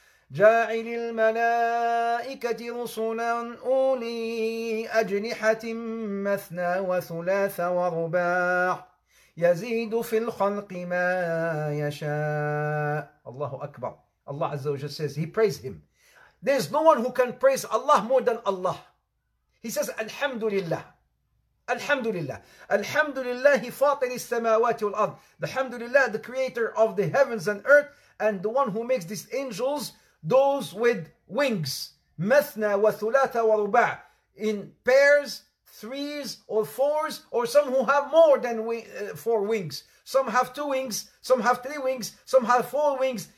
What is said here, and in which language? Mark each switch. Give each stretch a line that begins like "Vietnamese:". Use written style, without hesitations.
Arabic: جاعل الملائكة رسلا أولي أجنحة مثنى وثلاث ورباع يزيد في الخلق ما يشاء. الله أكبر. الله عز وجل
English: says he praised him. There is no one who can praise Allah more than Allah. He says
Arabic: الحمد لله. الحمد لله. الحمد لله فاطر السماوات والأرض. الحمد لله,
English: the creator of the heavens and earth, and the one who makes these angels, those with wings,
Arabic: مثنى وثلاثة ورباع,
English: in pairs, threes or fours, or some who have more than four wings. Some have two wings, some have three wings, some have four wings.